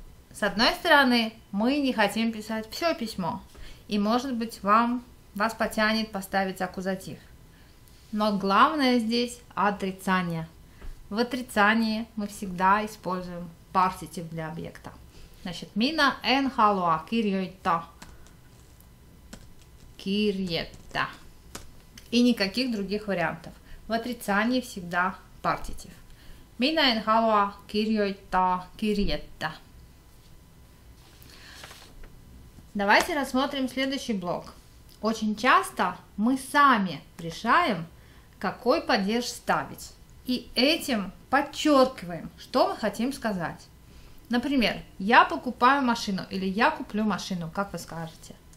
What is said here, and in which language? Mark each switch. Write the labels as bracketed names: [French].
[Russian] С одной стороны, мы не хотим писать все письмо, и, может быть, вас потянет поставить аккузатив. Но главное здесь отрицание. В отрицании мы всегда используем партитив для объекта. [Finnish] Значит, minä en halua kirjoittaa kirjettä. [Russian] И никаких других вариантов. В отрицании всегда партитив. [Finnish] Minä en halua kirjoittaa kirjettä. [Russian] Давайте рассмотрим следующий блок. Очень часто мы сами решаем, какой падеж ставить. И этим подчеркиваем, что мы хотим сказать. Например, я покупаю машину или я куплю машину, как вы скажете.